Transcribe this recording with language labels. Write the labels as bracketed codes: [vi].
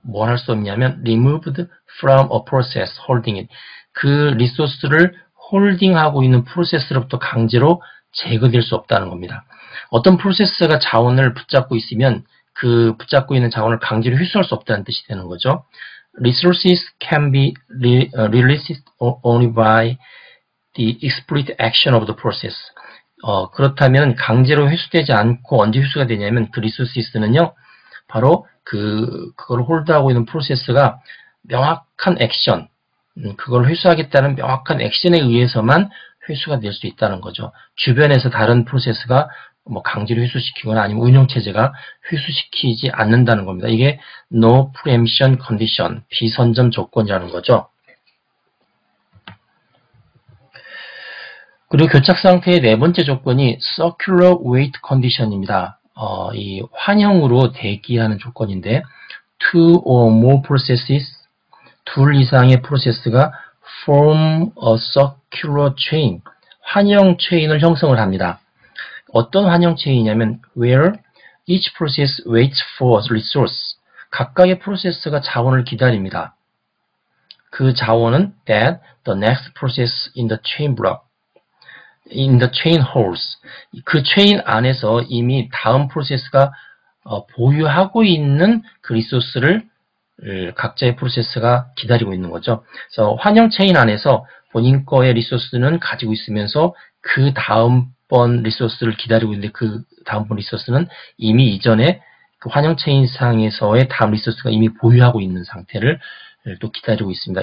[ko] 뭘 할 수 없냐면 [en] removed from a process holding it. [ko] 그 리소스를 홀딩하고 있는 프로세스로부터 강제로 제거될 수 없다는 겁니다. 어떤 프로세스가 자원을 붙잡고 있으면 그 붙잡고 있는 자원을 강제로 회수할 수 없다는 뜻이 되는 거죠. [en] Resources can be released only by the explicit action of the process. [ko] 그렇다면 강제로 회수되지 않고 언제 회수가 되냐면 그 resources는요, 바로 그걸 홀드하고 있는 프로세스가 명확한 액션, 그걸 회수하겠다는 명확한 액션에 의해서만 회수가 될 수 있다는 거죠. 주변에서 다른 프로세스가 뭐 강제로 회수시키거나 아니면 운영체제가 회수시키지 않는다는 겁니다. 이게 no preemption condition, 비선점 조건이라는 거죠. 그리고 교착상태의 네 번째 조건이 circular wait condition입니다. 이 환형으로 대기하는 조건인데 [en] two or more processes, [ko] 둘 이상의 프로세스가 [en] form a circular chain, [ko] 환형 체인을 형성을 합니다. 어떤 환영 체인이냐면 [en] where each process waits for a resource. [ko] 각각의 프로세스가 자원을 기다립니다. 그 자원은 [en] that the next process in the chain block, in the chain holds. [ko] 그 체인 안에서 이미 다음 프로세스가 보유하고 있는 그 리소스를 각자의 프로세스가 기다리고 있는 거죠. 그래서 환영 체인 안에서 본인 거의 리소스는 가지고 있으면서 그 다음 번 리소스를 기다리고 있는데 그 다음번 리소스는 이미 이전에 그 환영 체인 상에서의 다음 리소스가 이미 보유하고 있는 상태를 또 기다리고 있습니다.